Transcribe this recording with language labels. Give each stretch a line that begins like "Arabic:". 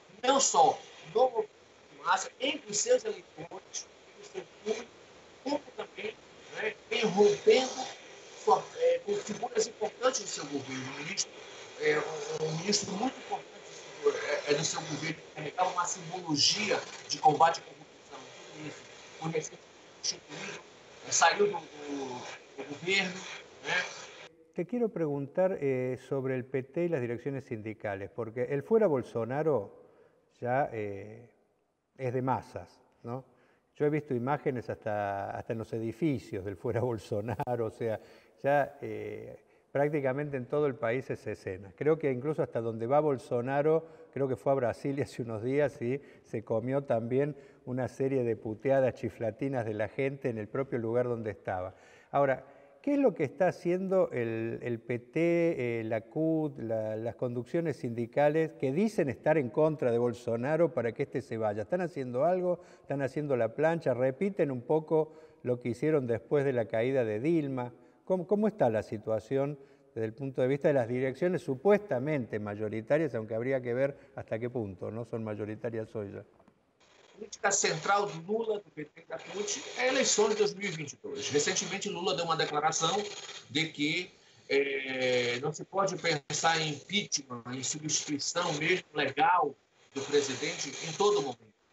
Portuguese: Não só no movimento de massa, entre os seus eleitores, entre o seu público, como também, vem rompendo com figuras importantes do seu governo. Um ministro muito importante do seu governo, que é uma simbologia de combate à corrupção. Tudo isso. O recente saiu do governo.
Spanish: Te quiero preguntar sobre el PT y las direcciones sindicales, porque el fuera Bolsonaro ya es de masas, ¿no? Yo he visto imágenes hasta en los edificios del fuera Bolsonaro, o sea, ya prácticamente en todo el país es escena. Creo que incluso hasta donde va Bolsonaro, creo que fue a Brasil hace unos días y se comió también una serie de puteadas chiflatinas de la gente en el propio lugar donde estaba. Ahora, ¿qué es lo que está haciendo el PT, la CUT, las conducciones sindicales que dicen estar en contra de Bolsonaro para que éste se vaya? ¿Están haciendo algo? ¿Están haciendo la plancha? ¿Repiten un poco lo que hicieron después de la caída de Dilma? ¿Cómo está la situación desde el punto de vista de las direcciones supuestamente mayoritarias, aunque habría que ver hasta qué punto no son mayoritarias hoy ya?
Portuguese: A política central do Lula, do PT e da CUT é eleições de 2022. Recentemente, Lula deu uma declaração de que não se pode pensar em impeachment, em substituição mesmo legal do presidente em todo momento.